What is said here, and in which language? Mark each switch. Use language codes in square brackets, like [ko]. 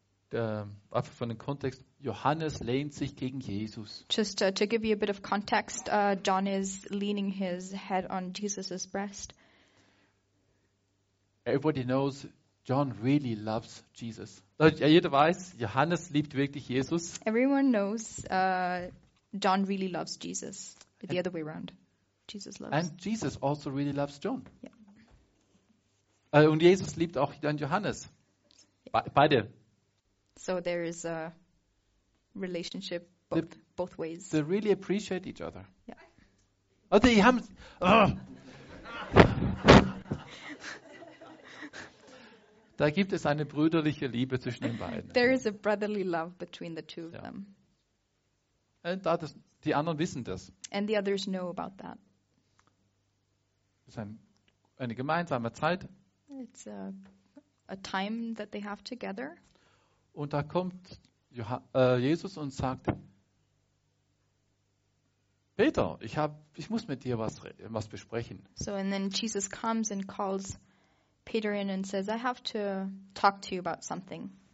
[de] Einfach von dem Kontext, Johannes lehnt sich gegen Jesus. [en] Just to give you a bit of context, John is leaning his head on Jesus' breast. Everybody knows John really loves Jesus. [de] Jeder weiß, Johannes liebt wirklich Jesus. [en] Everyone knows John really loves Jesus. The other way around. Jesus loves. And Jesus also really loves John. Yeah. [de] Und Jesus liebt auch dann Johannes. Beide. [en] So there is a relationship both ways. They really appreciate each other. Yeah. Oh, they have... [de] Da gibt es eine brüderliche Liebe zwischen den beiden. [en] There is a brotherly love between the two of them. [de] Und die anderen wissen das. [en] And the others know about that. [de] ist eine gemeinsame Zeit. [en] It's a time that they have together. [de] Und da kommt Jesus und sagt: Peter, ich muss mit dir was besprechen. [en] So, and then Jesus comes and calls Peter in and says, I have to talk to you about something.